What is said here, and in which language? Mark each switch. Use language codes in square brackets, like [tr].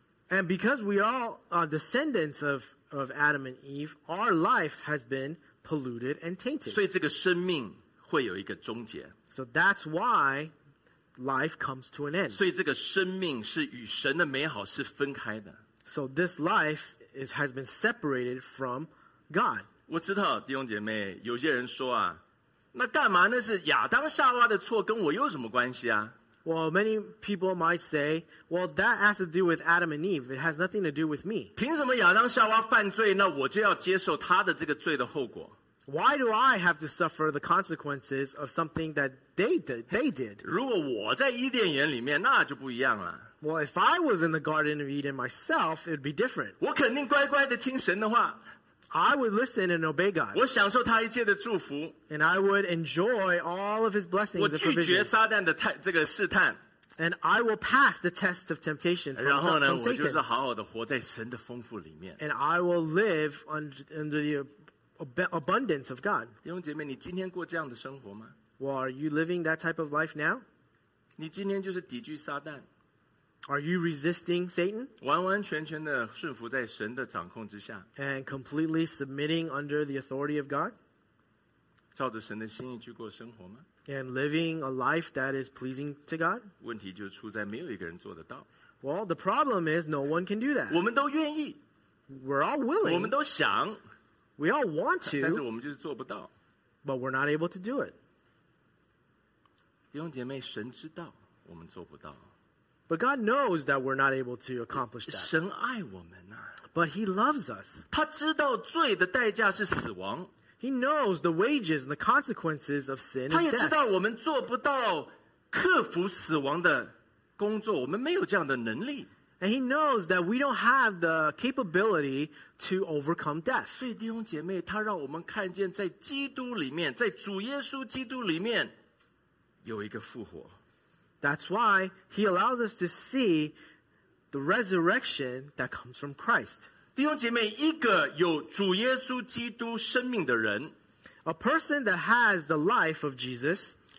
[en] And because we are all descendants of Adam and Eve, our life has been polluted and tainted. [zh] 所以这个生命 [en] So that's why life comes to an end. [zh] 所以这个生命是与神的美好是分开的。 [en] So this life has been separated from God. [zh] 我知道弟兄姐妹，有些人说啊， 那干嘛？那是亚当夏娃的错，跟我有什么关系啊？ [en] Well, many people might say, well, that has to do with Adam and Eve. It has nothing to do with me. [zh] 凭什么亚当夏娃犯罪，那我就要接受他的这个罪的后果？ [en] Why do I have to suffer the consequences of something that they did? [zh] 如果我在伊甸园里面，那就不一样了。 [en] Well, if I was in the Garden of Eden myself, it would be different. [zh] 我肯定乖乖地听神的话。 [en] I would listen and obey God. [zh] 我享受他一切的祝福。 [en] And I would enjoy all of his blessings and provisions. [zh] 我拒绝撒旦的这个试探。 [en] And I will pass the test of temptation from Satan. [zh] 然后呢，我就是好好地活在神的丰富里面。 [en] And I will live under the abundance of God. [zh] 弟兄姐妹，你今天过这样的生活吗？ [en] Well, are you living that type of life now? [zh] 你今天就是抵御撒旦？ [en] Are you resisting Satan? [zh] 完完全全的顺服在神的掌控之下？ [en] And completely submitting under the authority of God? [zh] 照着神的心意去过生活吗？ [en] And living a life that is pleasing to God? [zh] 问题就出在没有一个人做得到。 [en] Well, the problem is no one can do that. [zh] 我们都愿意。 [en] We're all willing. [zh] 我们都想。 [en] We all want to, [zh] 但是我们就是做不到, [en] but we're not able to do it. [zh] 弟兄姐妹, 神知道我们做不到, [en] But God knows that we're not able to accomplish that. [zh] 神爱我们啊, [en] but he loves us. [zh] 他知道罪的代价是死亡, [en] he knows the wages and the consequences of sin and death. [zh] 他也知道我们做不到克服死亡的工作, [en] and he knows that we don't have the capability to overcome death. [zh] 所以弟兄姐妹, 他让我们看见在基督里面, 在主耶稣基督里面, [en] that's why he allows us to see the resurrection that comes from Christ. [zh] 弟兄姐妹, 一个有主耶稣基督生命的人, [en] a person that has the life of Jesus,